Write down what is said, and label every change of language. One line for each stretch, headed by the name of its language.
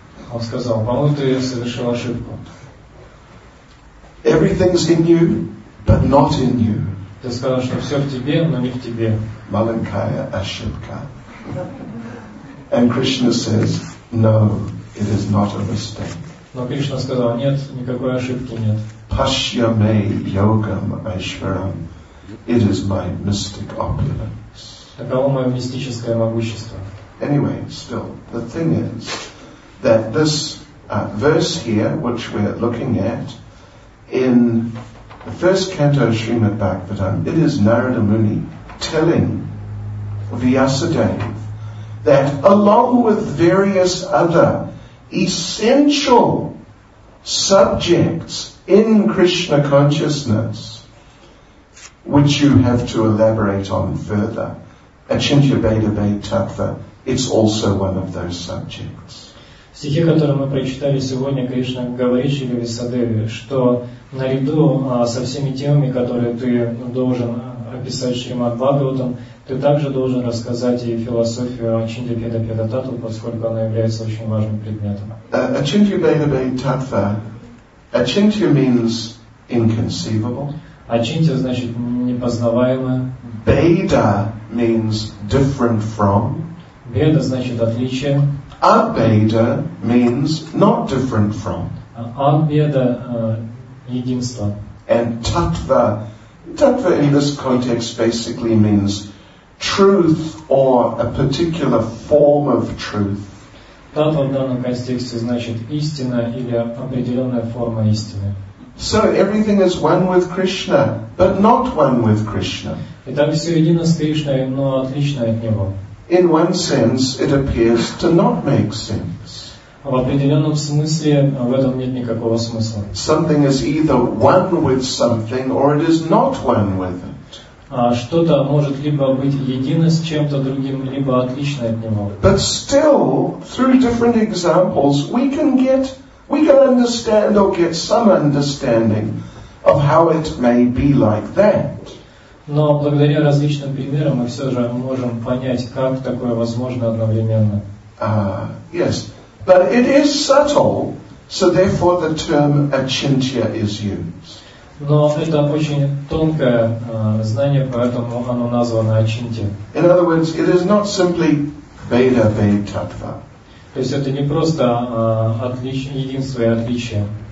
Russian: Он сказал, по-моему, ты совершил ошибку.
English: Everything's in you, but not in you.
Russian: Ты сказал, что все в тебе, но не в тебе. Маленькая ошибка.
English: And Krishna says, no, it is not a mistake.
Russian: Но Кришна сказал, нет, никакой ошибки нет.
Sanskrit: Pashya me yogam aishvaram.
English: It is my mystic opulence.
Russian: Таково мое мистическое могущество.
English: Anyway, still, the thing is, that this verse here, which we're looking at, in the first canto of Srimad Bhagavatam, it is Narada Muni telling Vyasadeva that along with various other essential subjects in Krishna consciousness, which you have to elaborate on further, Achintya Bhedabhed Tattva, it's also one of those subjects.
Russian: В стихе, который мы прочитали сегодня, Кришна говорит Шри Висадеве, что наряду со всеми темами, которые ты должен описать Шримад Бхагаватам, ты также должен рассказать и философию Ачинтья Бхедабхед Таттву, поскольку она является очень важным предметом. Ачинтья Бхедабхед Таттва.
English: Ачинтья means inconceivable.
Russian: Ачинтья значит непознаваемое.
English: Бхеда means different from.
Russian: Бхеда значит отличие.
English: Abheda means not different from.
Russian: Abheda, единство.
English: And tattva, tattva in this context basically means truth or a particular form of truth.
Russian: Tattva в данном контексте значит истина или определенная форма истины.
English: So everything is one with Krishna, but not one with Krishna.
Russian: Итак, все едино с Кришной, но отличное от него.
English: In one sense, it appears to not make sense.
Russian: В определенном смысле в этом нет никакого смысла.
English: Something is either one with something, or it is not one with it.
Russian: Что-то может либо быть едино с чем-то другим, либо отлично от него.
English: But still, through different examples, we can understand or get some understanding of how it may be like that.
Russian: Но благодаря различным примерам мы все же можем понять, как такое возможно одновременно.
English: Yes, but it is subtle, so therefore the term achintya is used.
Russian: Но это очень тонкое знание, поэтому оно названо ачинтья.
English: In other words, it is not simply Veda Vedatva.
Russian: То есть это не просто единство и отличие.